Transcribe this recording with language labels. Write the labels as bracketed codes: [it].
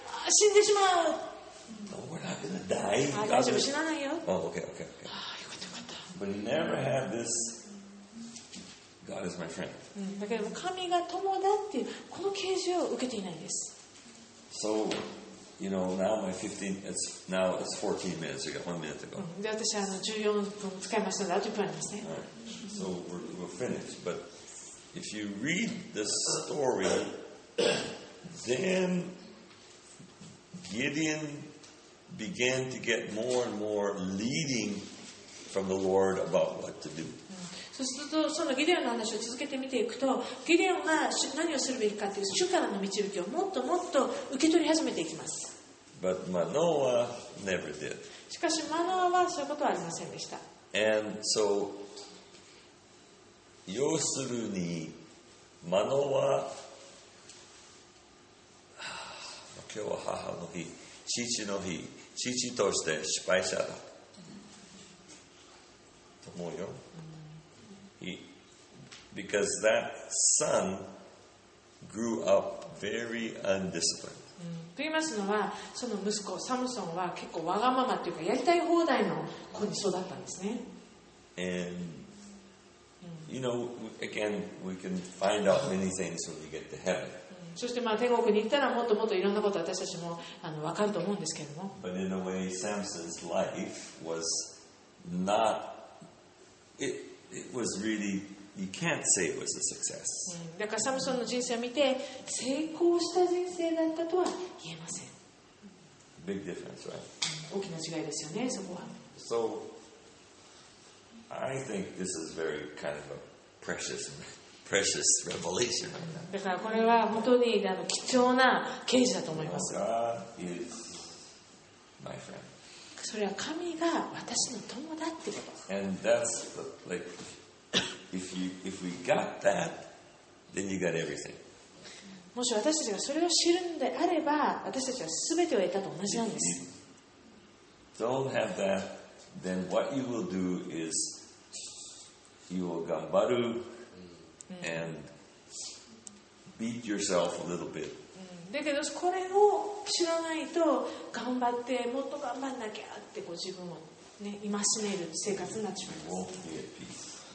[ja] 死んでしまう。 [en] No, we're not gonna die. [ja] 大丈夫、死なないよ。 [en] Oh, okay, okay, okay. [ja] よかったよかった。 [en] But he never had this. God is my friend. [ja] だけど神が友だっていうこの啓示を受けていないんです。 [en] So. You know, now my 15, it's, now it's 14 minutes ago, 1 minute ago. So we're finished. But if you read the story, then Gideon began to get more and more leading from the Lord about what to do. [ja] そうするとそのギデオンの話を続けてみていくと、ギデオンが何をするべきかという主からの導きをもっともっと受け取り始めていきます。 [en] But Manoah never did. [ja] しかしマノアはそういうことはありませんでした。 [en] And so, [ja] 要するにマノア、今日は母の日、父の日、父として失敗者だと思うよ。 [en] Because that son grew up very undisciplined. [ja] と言いますのは、その息子サムソンは結構わがままというかやりたい放題の子に育ったんですね。 [en] And you know, again, we can find out many things when we get to heaven. [ja] そしてまあ天国に行ったらもっともっといろんなこと私たちもわかると思うんですけども。 [en] But in a way, Samson's life was not it. It was really, you can't say it was a success. [ja] だからサムソンの人生を見て成功した人生だったとは言えません。 [en] Big difference, right? [ja] 大きな違いですよね、そこは。 [en] So, I think this is very kind of a precious, precious revelation right now. [ja] だからこれは本当に貴重な啓示だと思います。 [en] God is my friend. [ja] それは神が私の友だってこと。 [en] And that's the, like if we got that, then you got everything. [ja] もし私たちがそれを知るんであれば、私たちはすべてを得たと同じなんです。 [en] Don't have that, then what you will do is you will ganbaru and beat yourself a little bit. [ja] だけどこれを知らないと頑張ってもっと頑張んなきゃってこう自分を、ね、戒める生活になっちゃいます。